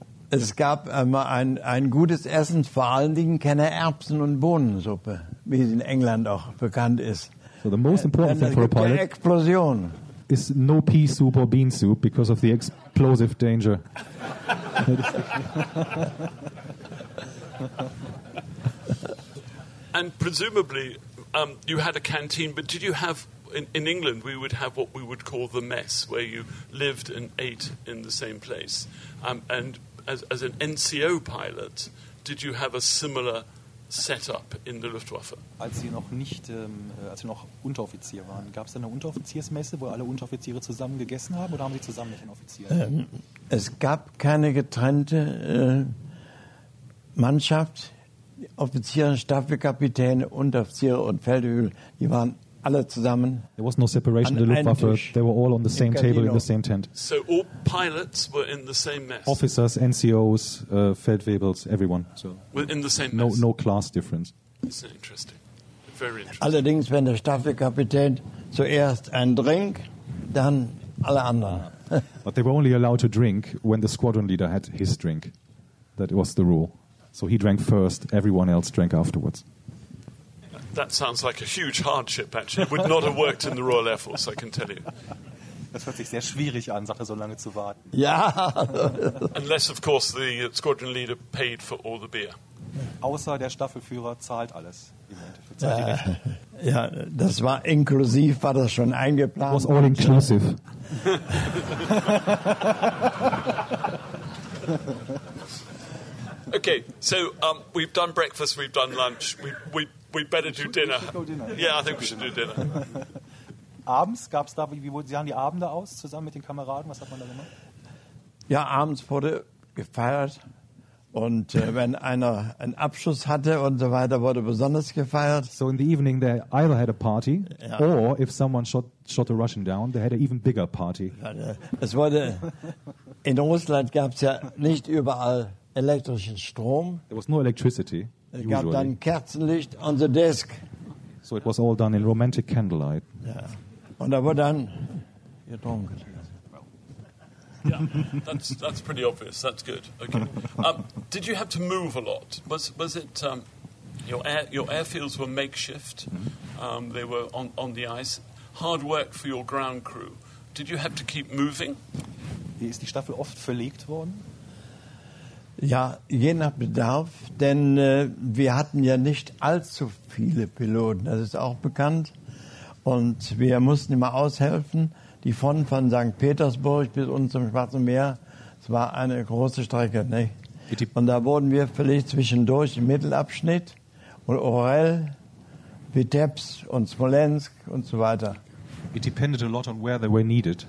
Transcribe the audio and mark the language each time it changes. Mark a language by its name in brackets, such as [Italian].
[German] Es gab ein gutes Essen, vor allen Dingen keine Erbsen- und Bohnensuppe, wie es in England auch bekannt ist. [English] So the most important thing for a pilot explosion. Is no pea soup or bean soup because of the explosive danger. And presumably you had a canteen, but did you have in England we would have what we would call the mess, where you lived and ate in the same place, and as an NCO pilot, did you have a similar setup in the Luftwaffe? [German] Als Sie noch nicht als Sie noch Unteroffizier waren, gab es eine Unteroffiziersmesse, wo alle Unteroffiziere zusammen gegessen haben, oder haben Sie zusammen mit den Offizieren? Es gab keine getrennte Mannschaft, Offiziere, Staffelkapitäne, Unteroffiziere und Feldwebel, die waren alle zusammen. [English] There was no separation in the Luftwaffe. They were all on the same table in the same tent. So all pilots were in the same mess. Officers, NCOs, Feldwebels, everyone. So in the same mess. No class difference. It's interesting. Very interesting. [German] Allerdings, wenn der Staffelkapitän zuerst ein Drink, dann alle anderen. [English] But they were only allowed to drink when the squadron leader had his drink. That was the rule. So he drank first, everyone else drank afterwards. That sounds like a huge hardship, actually. It would not have worked in the Royal Air Force, I can tell you. [German] Das hört sich sehr schwierig an, Sache so lange zu warten. Ja! [English] Unless, of course, the squadron leader paid for all the beer. [German] Außer der Staffelführer zahlt alles. Ja, das war inklusiv, war das schon eingeplant. [English] It was all inclusive. Okay, so we've done breakfast, we've done lunch, we better do dinner. Yeah, I think we should do dinner. [German] Abends gab's da, wie sahen die Abende aus, zusammen mit den Kameraden, was hat man da gemacht? Ja, abends wurde gefeiert und wenn einer einen Abschuss hatte und so weiter, wurde besonders gefeiert. [English] So in the evening they either had a party, yeah, or if someone shot a Russian down, they had an even bigger party. [German] Es wurde, in Russland gab's ja nicht überall elektrischen Strom. [English] There was no electricity. [German] Es gab dann Kerzenlicht [English] on the desk. So it was all done in romantic candlelight. [German] Yeah. Und da wurde dann getrunken. [English] Yeah, that's pretty obvious. That's good. Okay. Did you have to move a lot? Was it your airfields were makeshift? They were on the ice. Hard work for your ground crew. Did you have to keep moving? [German] Ist die Staffel oft verlegt worden? Ja, je nach Bedarf, denn wir hatten ja nicht allzu viele Piloten, das ist auch bekannt. Und wir mussten immer aushelfen, die von St. Petersburg bis uns zum Schwarzen Meer, das war eine große Strecke, nicht? Und da wurden wir vielleicht zwischendurch im Mittelabschnitt und Orel, Vitebsk und Smolensk und so weiter. [English] It depended a lot on where they were needed.